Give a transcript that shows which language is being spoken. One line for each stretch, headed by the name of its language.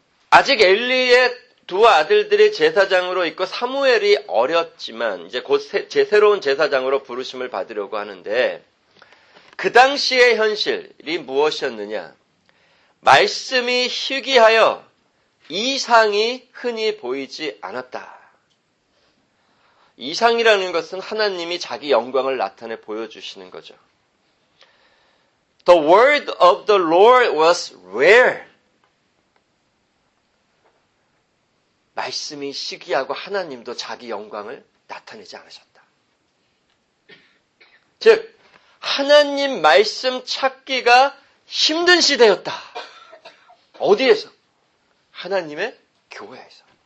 Korean: 아직 엘리의 두 아들들이 제사장으로 있고 사무엘이 어렸지만 이제 곧 새로운 제사장으로 부르심을 받으려고 하는데 그 당시의 현실이 무엇이었느냐? 말씀이 희귀하여 이상이 흔히 보이지 않았다. 이상이라는 것은 하나님이 자기 영광을 나타내 보여주시는 거죠.
English: The word of the Lord was rare.
Korean: 말씀이 희귀하고 하나님도 자기 영광을 나타내지 않으셨다. 즉, 하나님 말씀 찾기가 힘든 시대였다. 어디에서? 하나님의 교회에서.